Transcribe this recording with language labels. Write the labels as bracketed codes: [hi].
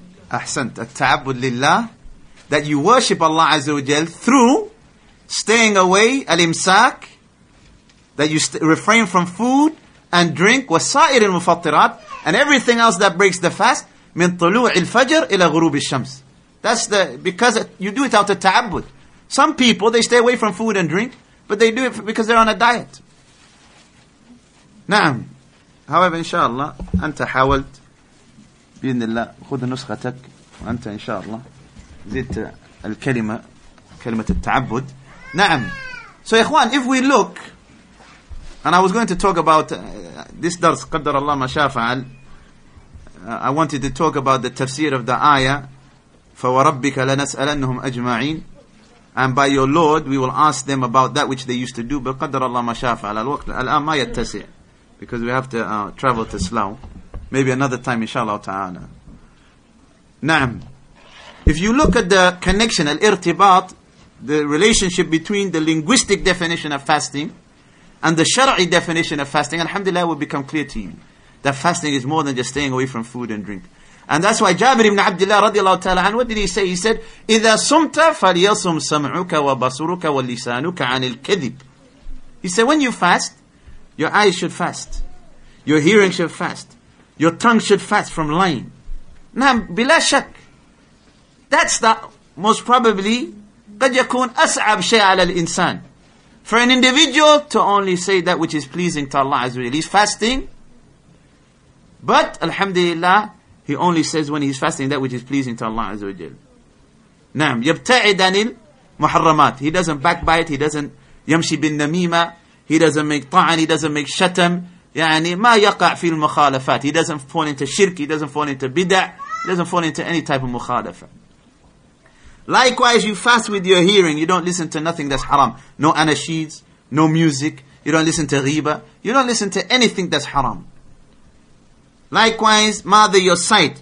[ar] أحسنت, التعبد لله, [en] that you worship Allah Azza wa Jal through staying away, al-imsak, that you refrain from food and drink, [ar] وسائر المفطرات, [en] And everything else that breaks the fast, [ar] من طلوع الفجر إلى غروب الشمس. [en] That's the, because you do it out of ta'abbud. Some people, they stay away from food and drink, but they do it because they're on a diet. [ar] نعم. However, inshallah, أنت حاولت, بإذن الله, خذ نسختك, وأنت inshallah, زدت الكلمة, كلمة التعبد. نعم. [en] So, إخوان, if we look, And I was going to talk about this dars, [ar] قدر الله ما شاء فعل. [en] I wanted to talk about the tafsir of the ayah, [ar] فَوَرَبِّكَ لَنَسْأَلَنَّهُمْ أَجْمَعِينَ [en] And by your Lord, we will ask them about that which they used to do, [ar] بِقَدَرَ اللَّهُ مَا شَاء فَعَلَ الْوَقْتِ الْآنَ مَا يَتَّسِعُ [en] Because we have to travel to Slough. Maybe another time, inshallah ta'ala. نعم. If you look at the connection, الارتباط, the relationship between the linguistic definition of fasting, And the shara'i definition of fasting, alhamdulillah, will become clear to you. That fasting is more than just staying away from food and drink. And that's why Jabir ibn Abdullah radiallahu ta'ala, what did he say? He said, [ar] إِذَا سُمْتَ فَلْيَصُمْ سَمْعُكَ وَبَصُرُكَ وَلِّسَانُكَ عَنِ الْكَذِبِ [en] He said, when you fast, your eyes should fast. Your hearing should fast. Your tongue should fast from lying. [ar] نعم بلا شك. [en] That's the most probably [ar] قد يكون أصعب شيء على الإنسان. [en] For an individual to only say that which is pleasing to Allah is really fasting. But alhamdulillah, he only says when he's fasting that which is pleasing to Allah Azza wa Jal. [ar] نعم يبتعد عن المحرمات. [en] He doesn't backbite. He doesn't [ar] يمشي بالنميمة. [en] He doesn't make طعن. He doesn't make شتم. [ar] يعني ما يقع في المخالفات. [en] He doesn't fall into shirk. He doesn't fall into bid'ah. He doesn't fall into any type of مخالفة. Likewise, you fast with your hearing. You don't listen to nothing that's haram. No anashids. No music. You don't listen to ghiba. You don't listen to anything that's haram. Likewise, mother your sight.